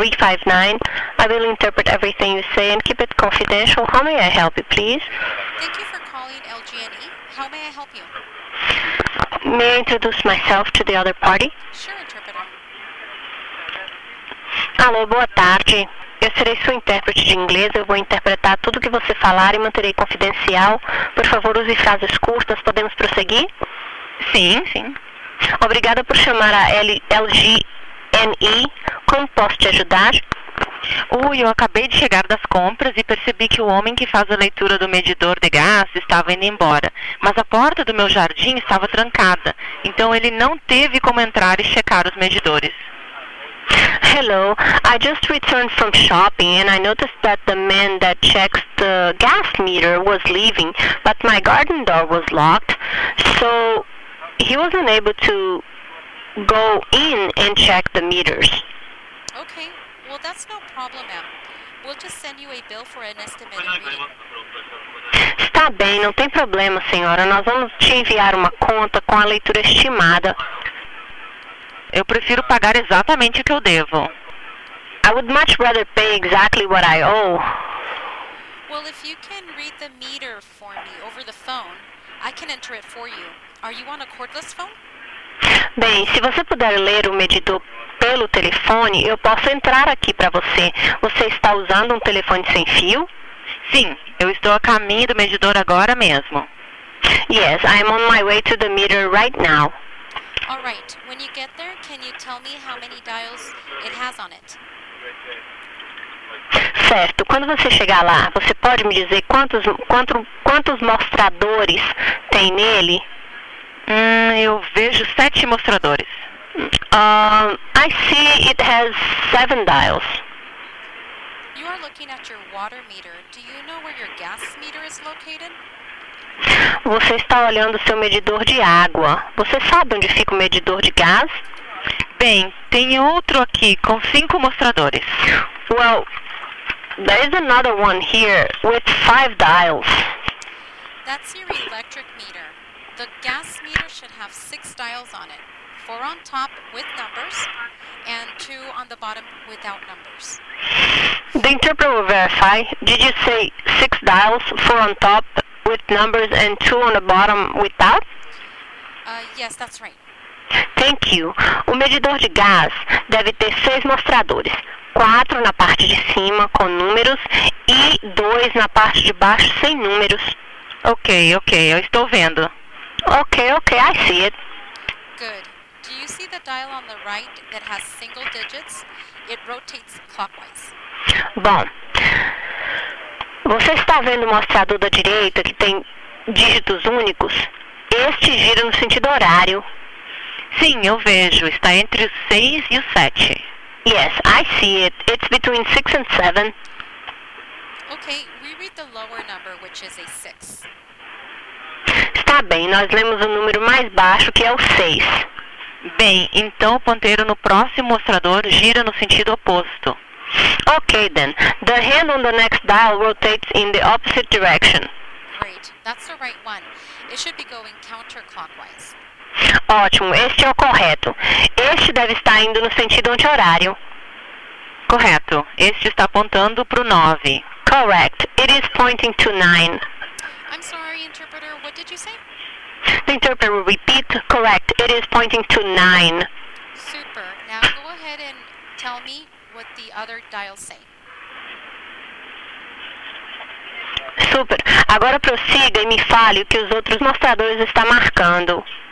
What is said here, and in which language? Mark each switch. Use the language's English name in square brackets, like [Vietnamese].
[English] I will interpret everything you say and keep it confidential. How may I help you, please? Thank you for calling LGNE. How may I help you? May I introduce myself to the other party? Sure, interpreter. [Portuguese] Alô, boa tarde. Eu serei sua intérprete de inglês, eu vou interpretar tudo o que você falar e manterei confidencial. Por favor, use frases curtas, podemos prosseguir? Sim, sim. Obrigada por chamar a LGNE. Como posso te ajudar? Eu acabei de chegar das compras e percebi que o homem que faz a leitura do medidor de gás estava indo embora. Mas a porta do meu jardim estava trancada, então ele não teve como entrar e checar os medidores. [English] Hello, I just returned from shopping and I noticed that the man that checks the gas meter was leaving, but my garden door was locked, so he wasn't able to go in and check the meters. Okay, well that's no problem, ma'am. We'll just send you a bill for an estimated reading. [Portuguese] Está bem, não tem problema, senhora. Nós vamos te enviar uma conta com a leitura estimada. Eu prefiro pagar exatamente o que eu devo. [English] I would much rather pay exactly what I owe. Well, if you can read the meter for me over the phone, I can enter it for you. Are you on a cordless phone? [Portuguese] Bem, se você puder ler o medidor pelo telefone, eu posso entrar aqui para você. Você está usando um telefone sem fio? Sim, eu estou a caminho do medidor agora mesmo. [English] Yes, I'm on my way to the meter right now. All right. When you get there, can you tell me how many dials it has on it? [Portuguese] Certo. Quando você chegar lá, você pode me dizer quantos mostradores tem nele? Eu vejo 7 mostradores. [English] I see it has 7 dials. You are looking at your water meter. Do you know where your gas meter is located? [Portuguese] Você está olhando o seu medidor de água. Você sabe onde fica o medidor de gás? Bem, tem outro aqui com 5 mostradores. [English] Well, there is another one here with 5 dials. That's your electric meter. The gas meter should have 6 dials on it. 4 on top with numbers and 2 on the bottom without numbers. The interpreter will verify. Did you say 6 dials, 4 on top with numbers and 2 on the bottom without? Yes, that's right. Thank you. [Portuguese] O medidor de gás deve ter 6 mostradores. 4 na parte de cima com números e 2 na parte de baixo sem números. Ok, eu estou vendo. [English] Ok, I see it. Good. Do you see the dial on the right that has single digits? It rotates clockwise. [Portuguese] Bom, você está vendo o mostrador da direita que tem dígitos únicos? Este gira no sentido horário. Sim, eu vejo. Está entre o 6 e o 7. [English] Yes, I see it. It's between 6 and 7. Okay, we read the lower number, which is a 6. [Portuguese] Está bem, nós lemos o número mais baixo, que é o 6. Bem, então o ponteiro no próximo mostrador gira no sentido oposto. [English] Okay then. The hand on the next dial rotates in the opposite direction. Great. That's the right one. It should be going counterclockwise. [Portuguese] Ótimo. Este é o correto. Este deve estar indo no sentido anti-horário. Correto. Este está apontando para o 9. [English] Correct. It is pointing to 9. I'm sorry, interpreter. What did you say? The interpreter will repeat. Correct. It is pointing to 9. Super. Now go ahead and tell me what the other dials say. [Portuguese] Super. Agora prossiga e me fale o que os outros mostradores estão marcando.